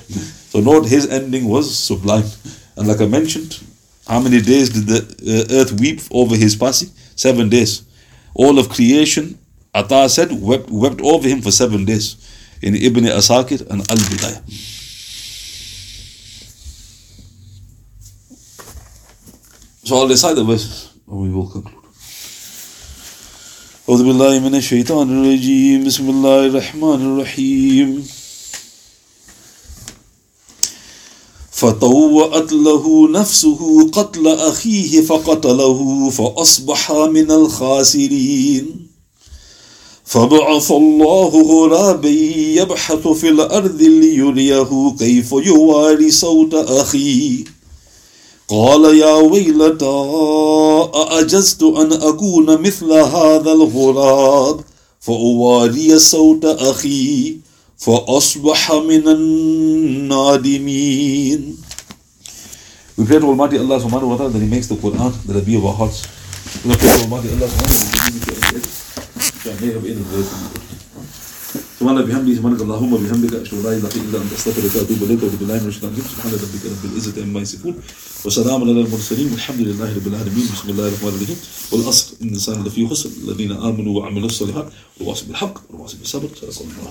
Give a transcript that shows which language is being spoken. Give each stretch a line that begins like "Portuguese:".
English: So note, his ending was sublime. And like I mentioned, how many days did the earth weep over his passing? 7 days. All of creation, Ata said, wept over him for 7 days. In Ibn Asakir and Al-Bidayah. So I'll recite the verses and we will conclude.
Arabic: أعوذ بالله من الشيطان الرجيم بسم الله الرحمن الرحيم فطوعت له نفسه قتل أخيه فقتله فأصبح من الخاسرين فبعث الله غرابا يبحث في الأرض ليريه كيف يواري صوت أخيه قال يا ويلتا أعجزت أن أكون مثل هذا الغراب فأواري صوت أخي فأصبح من النادمين.
English: We pray to Almighty Allah subhanahu wa ta'ala that He makes the Quran the Rabi of our hearts. We pray to Almighty Allah subhanahu wa ta'ala that He makes the Quran the Rabi of our hearts.
Arabic: سبحان الله بحمده سبحانك اللهم وبحمدك أشهد أن لا إله إلا أنت أستغفرك وأتوب إليك وأعوذ بالله من الشيطان الرجيم سبحان ربك رب العزة عما يصفون وسلام على المرسلين والحمد لله رب العالمين بسم الله الرحمن الرحيم والعصر إن الإنسان لفي خسر الذين آمنوا وعملوا الصالحات وواصوا بالحق وواصوا بالصبر صدق الله.